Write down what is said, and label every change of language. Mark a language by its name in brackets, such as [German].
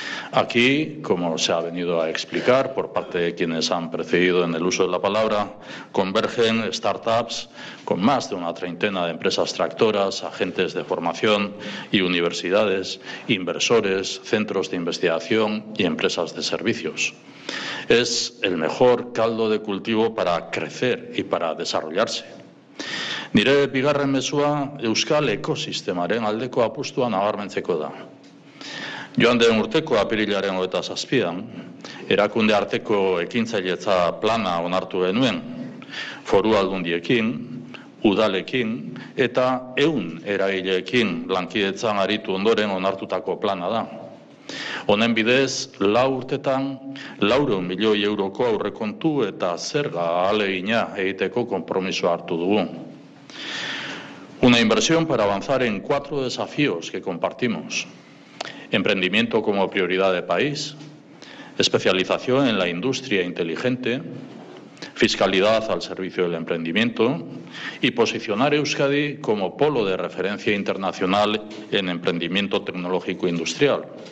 [Spanish] Aquí, como se ha venido a explicar por parte de quienes han precedido en el uso de la palabra, convergen startups con más de una treintena de empresas tractoras, agentes de formación y universidades, inversores, centros de investigación y empresas de servicios. Es el mejor caldo de cultivo para crecer y para desarrollarse. [Basque] Nire bigarren mezua euskal ekosistemaren aldeko apustua nabarmentzeko da. Joan den urteko apirilaren 27an, erakunde arteko ekintzailetza plana onartu genuen, foru aldundiekin, udalekin eta 100 eragileekin lankidetzan aritu ondoren onartutako plana da. Honen bidez, 4 urtetan 400 milioi euroko aurrekontu eta zerga ahalegina egiteko konpromiso hartu dugu. [Spanish] Una inversión para avanzar en 4 desafíos que compartimos. Emprendimiento como prioridad de país, especialización en la industria inteligente, fiscalidad al servicio del emprendimiento y posicionar Euskadi como polo de referencia internacional en emprendimiento tecnológico industrial.